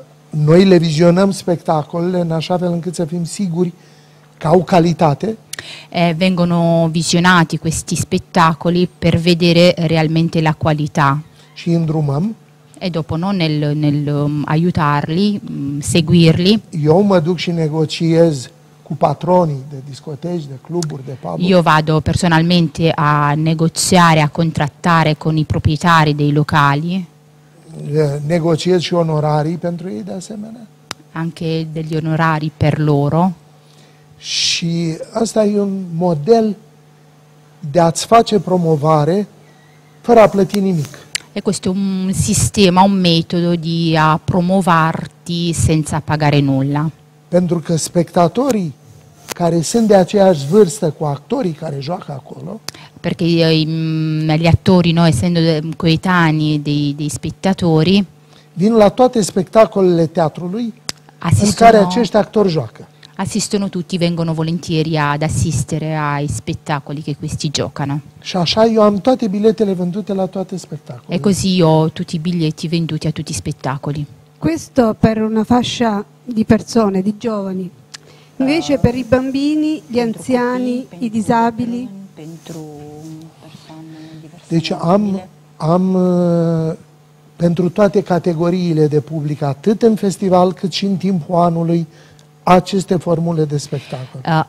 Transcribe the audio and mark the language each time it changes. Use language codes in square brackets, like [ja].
[ro] Noi le vizionăm spettacolele în așa fel încât să fim siguri că au calitate. [it] Vengono visionati questi spettacoli per vedere realmente la qualità. [ro] Ci îndrumăm. [it] E dopo, no? nel aiutarli, seguirli. [ro] Io mă duc și negociez cu patronii de discoteci, de cluburi, de pub. [it] Io vado personalmente a negoziare, a contrattare con i proprietari dei locali. [ro] Negociez și onorari pentru ei de asemenea. [it] Anche degli onorari per loro. [ro] Și asta e un model de a-ți face promovare fără a plăti nimic. [it] E questo è un sistema, un metodo di a promuoverti senza pagare nulla. [ro] Pentru că spectatorii care sunt de aceeași vârstă cu actorii care joacă acolo, [it] perché gli attori, no, essendo coetanei dei spettatori, [ro] vin la toate spectacolele teatrului în care acești actori joacă. [it] Assistono tutti, vengono volentieri ad assistere ai spettacoli che questi giocano. [ro] Și așa eu am toate biletele vendute la toate spettacolele. [it] E così io ho tutti i biglietti venduti a tutti i spettacoli. Questo per una fascia di persone, di giovani. Invece per i bambini, gli anziani, i disabili. [ro] Deci am pentru toate categoriile de public, atât în festival cât și în timpul anului, aceste formule de spectacol.